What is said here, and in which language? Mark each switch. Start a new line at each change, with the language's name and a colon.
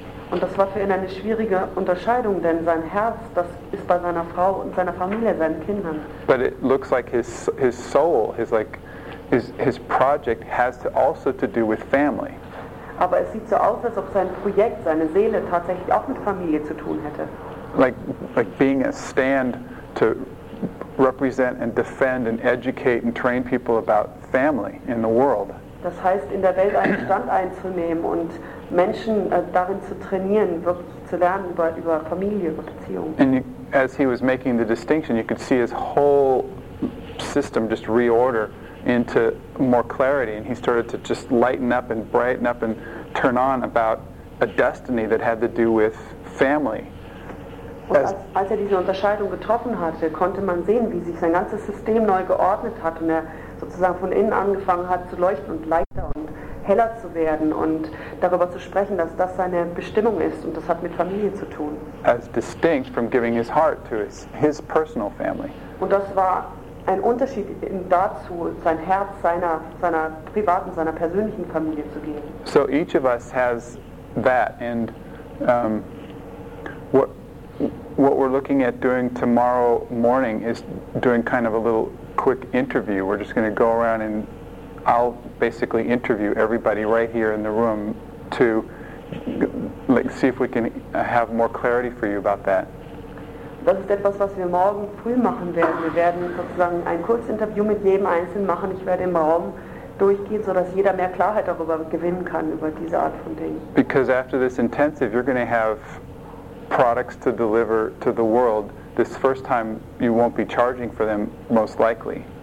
German: Und das war für ihn eine schwierige Unterscheidung, denn sein Herz, das ist bei seiner Frau und seiner Familie, seinen Kindern.
English: But it looks like his soul, his project has to also to do with family.
German: Aber es sieht so aus, als ob sein Projekt, seine Seele, tatsächlich auch mit Familie zu tun hätte.
English: Like being a stand to represent and defend and educate and train people about family in the world.
German: Das heißt, in der Welt einen Stand einzunehmen und Menschen darin zu trainieren, wirklich zu lernen über Familie, über Beziehungen.
English: And as he was making the distinction, you could see his whole system just reorder into more clarity, and he started to just lighten up and brighten up and turn on about a destiny that had to do with family.
German: Als er diese Unterscheidung getroffen hatte, konnte man sehen, wie sich sein ganzes System neu geordnet hat und er sozusagen von innen angefangen hat zu leuchten und leichter und heller zu werden und darüber zu sprechen, dass das seine Bestimmung ist und das hat mit Familie zu tun.
English: As distinct from giving his heart to his personal family.
German: Und das war ein Unterschied dazu, sein Herz seiner privaten, seiner persönlichen Familie zu geben.
English: So each of us has that, and what we're looking at doing tomorrow morning is doing kind of a little quick interview. We're just going to go around and I'll basically interview everybody right here in the room to see if we can have more clarity for you about that.
German: Das ist etwas, was wir morgen früh machen werden. Wir werden sozusagen ein Kurzinterview mit jedem Einzelnen machen. Ich werde im Raum durchgehen, sodass jeder mehr Klarheit darüber gewinnen kann, über diese Art von Dingen.
English: Because after this intensive, you're going to have products to deliver to the world. This first time, you won't be charging for them, most likely.